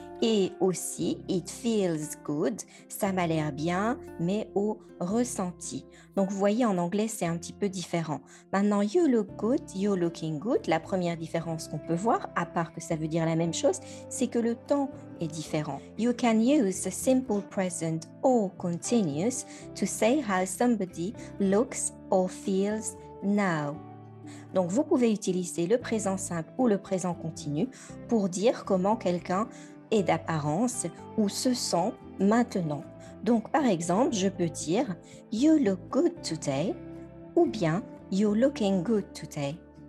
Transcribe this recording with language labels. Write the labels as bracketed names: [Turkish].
[French] Et aussi, [English] it feels good, [French] ça m'a l'air bien, mais au ressenti. Donc, vous voyez, en anglais, c'est un petit peu différent. Maintenant, [English] you look good, you're looking good. [French] La première différence qu'on peut voir, à part que ça veut dire la même chose, c'est que le temps est différent. [English] You can use the simple present or continuous to say how somebody looks or feels now. [French] Donc, vous pouvez utiliser le présent simple ou le présent continu pour dire comment quelqu'un et d'apparence ou se sent maintenant. Donc, par exemple, je peux dire « [English] You look good today [French] » ou bien « [English] You're looking good today ».